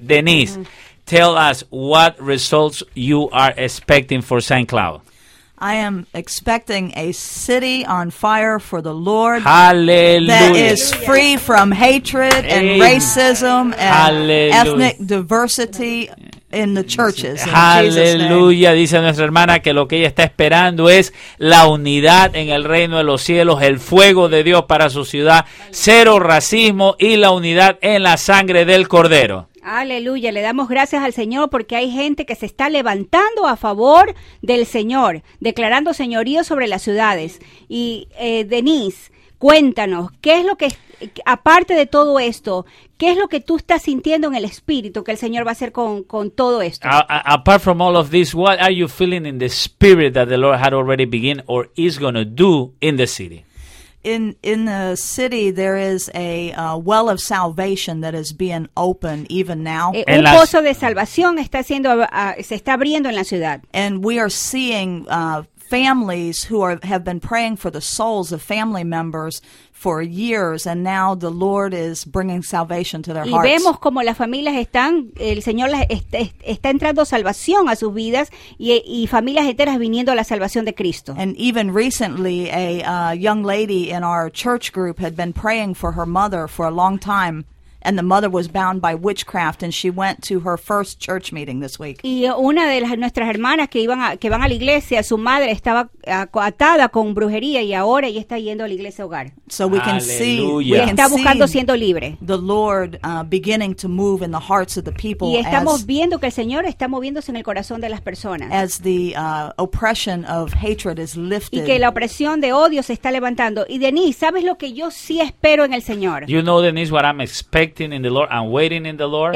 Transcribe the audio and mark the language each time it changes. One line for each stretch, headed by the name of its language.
English: Denise, tell us what results you are expecting for St. Cloud. I am expecting a city on fire for the Lord. Hallelujah. That is free from hatred and racism and Hallelujah. Ethnic diversity. in the churches.
Spanish: Aleluya, dice nuestra hermana que lo que ella está esperando es la unidad en el reino de los cielos, el fuego de Dios para su ciudad, cero racismo y la unidad en la sangre del Cordero. Aleluya, le damos gracias al Señor porque hay gente que se está levantando a favor del Señor, declarando señorío sobre las ciudades. Y Denise, cuéntanos, ¿qué es lo que, aparte de todo esto, qué es lo que tú estás sintiendo en el espíritu que el Señor va a hacer con todo esto?
English: Apart from all of this, what are you feeling in the spirit that the Lord had already begun or is going to do in the city? In the city there is a well of salvation that is being open even now.
Spanish: Un pozo de salvación está siendo se está abriendo en la ciudad.
English: And we are seeing families who have been praying for the souls of family members for years, and now the Lord is bringing salvation to their
Spanish: y
English: hearts.
Spanish: Y vemos como las familias están, el Señor les está entrando salvación a sus vidas y familias enteras viniendo a la salvación de Cristo.
English: And even recently, a young lady in our church group had been praying for her mother for a long time. And the mother was bound by witchcraft, and she went to her first church meeting this week.
Spanish: Y una de nuestras hermanas que van a la iglesia, su madre estaba atada con brujería, y ahora ella está yendo a la iglesia hogar.
English: So we can see,
Spanish: está buscando siendo libre.
English: The Lord beginning to move in the hearts of the people.
Spanish: Y estamos viendo que el Señor está moviéndose en el corazón de las personas.
English: As the oppression of hatred is lifted.
Spanish: Y que la opresión de odio se está levantando. Y Denise, ¿sabes lo que yo sí espero en el Señor?
English: You know, Denise, what I'm expecting in the Lord and waiting in the Lord.